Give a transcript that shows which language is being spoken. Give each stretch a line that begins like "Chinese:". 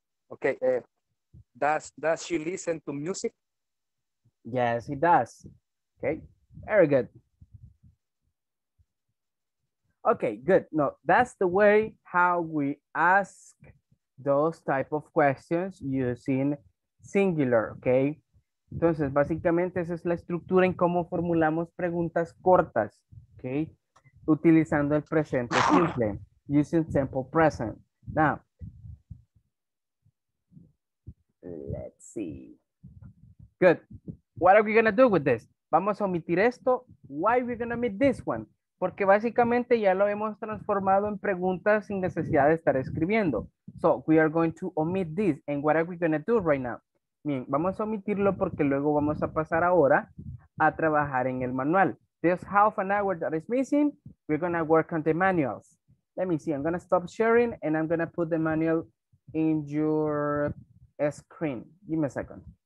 English: Okay. Does she listen to music? Yes, he does. Okay. Very good. Okay, good. No, that's the way how we ask those type of questions using singular, okay?
Spanish: Entonces, básicamente esa es la estructura en cómo formulamos preguntas cortas, okay? Utilizando el presente simple,
English: using simple present. Now, let's see. Good. What are we going to do with this?
Spanish: Vamos a omitir esto.
English: Why are we going to omit this one?
Spanish: Porque básicamente ya lo hemos transformado en preguntas sin necesidad de estar escribiendo.
English: So, we are going to omit this. And what are we going to do right now?
Spanish: Bien, vamos a omitirlo porque luego vamos a pasar ahora a trabajar en el manual.
English: There's half an hour that is missing. We're going to work on the manuals. Let me see. I'm going to stop sharing and I'm going to put the manual in your screen. Give me a second.